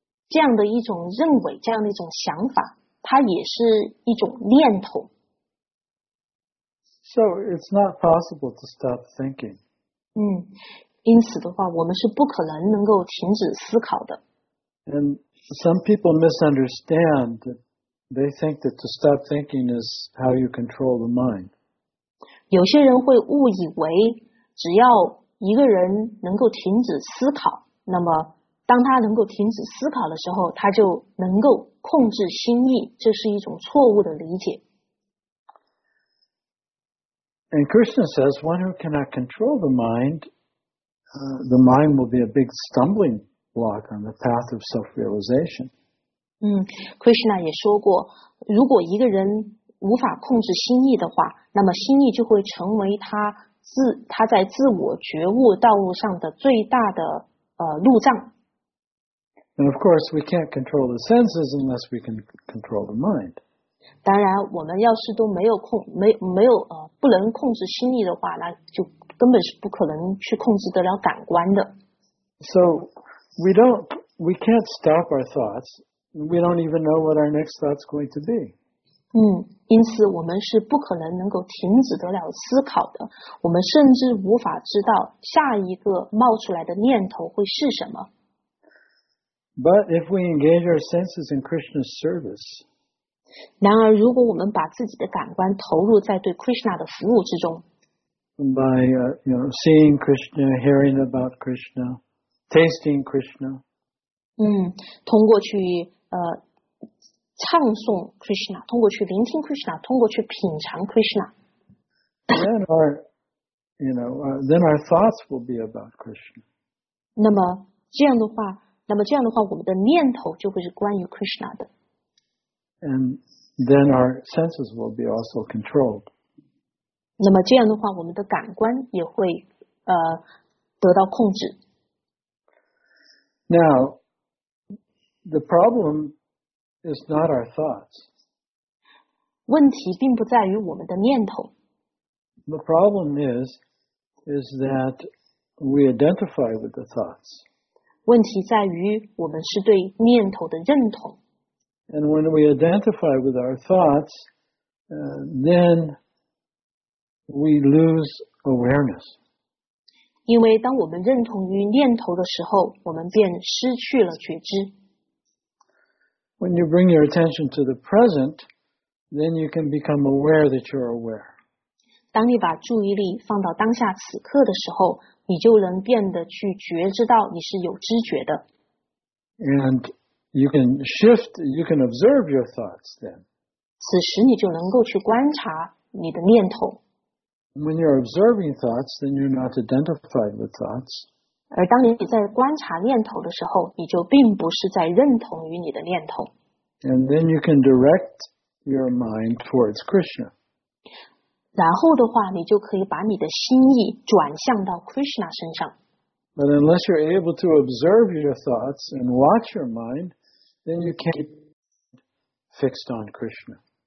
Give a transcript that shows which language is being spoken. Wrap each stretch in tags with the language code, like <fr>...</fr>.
<zh>这样的一种认为，这样的一种想法，它也是一种念头。</zh> <en>So it's not possible to stop thinking.</en> <zh>因此的话，我们是不可能能够停止思考的。</zh> <en>And some people misunderstand that They think that to stop thinking is how you control the mind.</en> <zh>有些人会误以为只要一个人能够停止思考，那么当他能够停止思考的时候，他就能够控制心意，这是一种错误的理解。</zh> <en>And Krishna says, one who cannot control the mind will be a big stumbling block on the path of self-realization.</en> <zh>Krishna 也说过，如果一个人无法控制心意的话，那么心意就会成为他在自我觉悟道路上的最大的路障。</zh> <en>And of course, we can't control the senses unless we can control the mind.</en> <zh>当然我们要是都没有控没有不能控制心意的话，那就根本是不可能去控制得了感官的。</zh> <en>So, we can't stop our thoughts. We don't even know what our next thought's going to be.</en> <zh>因此我们是不可能能够停止得了思考的。我们甚至无法知道下一个冒出来的念头会是什么。</zh> <en>But if we engage our senses in Krishna's service,</en> <zh>然而如果我们把自己的感官投入在对 Krishna 的服务之中</zh> <en>by seeing Krishna, hearing about Krishna, tasting Krishna</en> <zh>通过去唱诵 Krishna, 通过去聆听 Krishna, 通过去品尝 Krishna</zh> <en>then our thoughts will be about Krishna</en> <zh>那么这样的话我们的念头就会是关于 Krishna 的</zh> <en>And then our senses will be also controlled.</en> <zh>那么这样的话，我们的感官也会得到控制。</zh> <en>Now, the problem is not our thoughts.</en> <zh>问题并不在于我们的念头。</zh> <en>The problem is that we identify with the thoughts.</en> <zh>问题在于我们是对念头的认同。</zh> <en>And when we identify with our thoughts, then we lose awareness.</en> <zh>因为当我们认同于念头的时候，我们便失去了觉知。</zh> <en>When you bring your attention to the present, then you can become aware that you're aware.</en> <zh>当你把注意力放到当下此刻的时候，你就能变得去觉知到你是有知觉的。</zh> <en>And you can observe your thoughts then.</en> <zh>此时你就能够去观察你的念头。</zh> <en>When you're observing thoughts, then you're not identified with thoughts.</en> <zh>而当你在观察念头的时候，你就并不是在认同于你的念头。</zh> <en>And then you can direct your mind towards Krishna.</en> <zh>然后的话，你就可以把你的心意转向到 Krishna 身上。</zh> <en>But unless you're able to observe your thoughts and watch your mind, then you can't keep fixed on Krishna.</en>